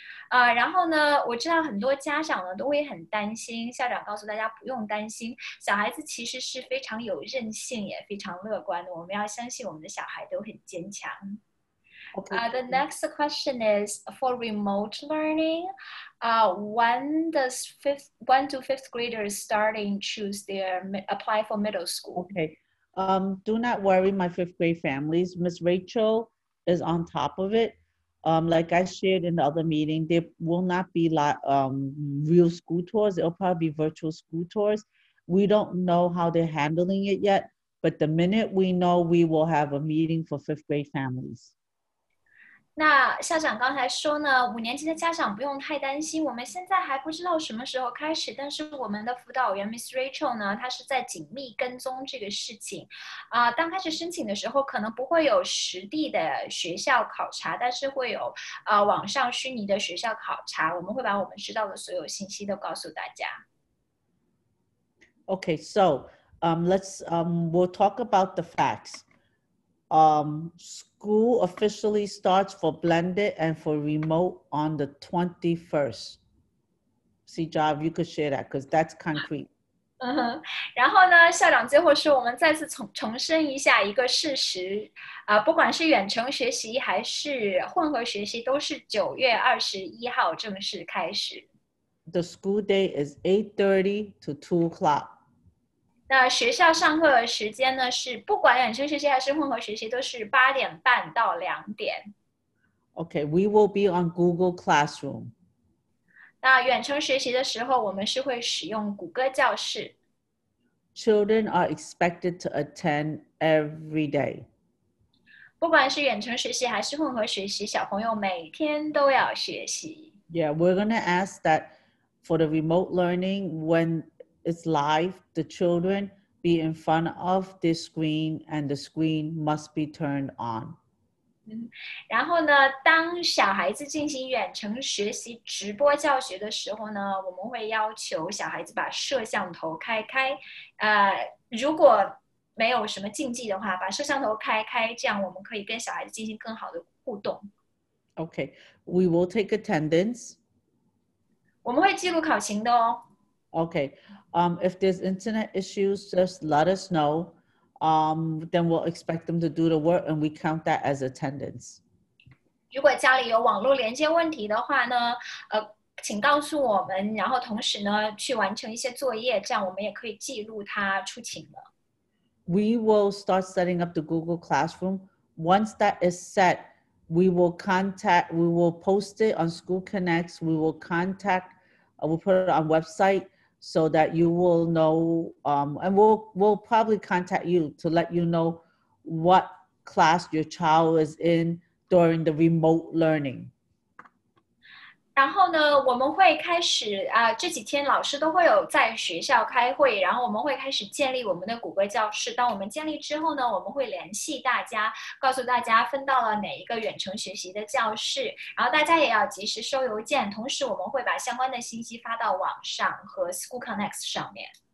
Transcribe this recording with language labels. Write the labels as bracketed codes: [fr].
[zh] 然后呢我知道很多家长呢都会很担心校长告诉大家不用担心小孩子其实是非常有韧性也非常乐观的我们要相信我们的小孩都很坚强 [en] Okay. The next question is for remote learning when do fifth graders starting choose their apply for middle school okay do not worry my fifth grade families Miss Rachel is on top of itLike I shared in the other meeting, there will not be real school tours. It'll probably be virtual school tours. We don't know how they're handling it yet, but the minute we know, we will have a meeting for fifth grade families. [zh] 那校长刚才说呢五年级的家长不用太担心我们现在还不知道什么时候开始但是我们的辅导员 Miss Rachel 呢她是在紧密跟踪这个事情当开始申请的时候可能不会有实地的学校考察但是会有网上虚拟的学校考察我们会把我们知道的所有信息都告诉大家 [en] Okay, so we'll talk about the factsschool officially starts for blended and for remote on the 21st. See, Jav, you could share that because that's concrete. [zh] 然后呢，校长最后说，我们再次重申一下一个事实，不管是远程学习还是混合学习，都是9月21号正式开始。 [en] The school day is 8:30 to 2 o'clock. [zh] 那学校上课的时间呢，是不管远程学习还是混合学习，都是8:30 [en] to 2:00. Okay, we will be on Google Classroom. [zh] 那远程学习的时候，我们是会使用谷歌教室。 [en] Children are expected to attend every day. [zh] 不管是远程学习还是混合学习，小朋友每天都要学习。 [en] Yeah, we're going to ask that for the remote learning, when it's live, the children be in front of the screen and the screen must be turned on. [zh] 然后呢，当小孩子进行远程学习直播教学的时候呢，我们会要求小孩子把摄像头开开，如果没有什么禁忌的话，把摄像头开开，这样我们可以跟小孩子进行更好的互动。 [en] Okay, we will take attendance. [zh] 我们会记录考勤的哦。 [en] Okay, if there's internet issues, just let us know. Then we'll expect them to do the work and we count that as attendance. [zh] 如果家里有网络连接问题的话呢，请告诉我们，然后同时呢，去完成一些作业，这样我们也可以记录它出勤了。 [en] We will start setting up the Google Classroom. Once that is set, we will post it on School Connects. We'll put it on website. So that you will know, and we'll probably contact you to let you know what class your child is in during the remote learning. [zh] 然后呢，我们会开始啊，这几天老师都会有在学校开会，然后我们会开始建立我们的谷歌教室。当我们建立之后呢，我们会联系大家，告诉大家分到了哪一个远程学习的教室，然后大家也要及时收邮件，同时我们会把相关的信息发到网上和 School Connects 上面。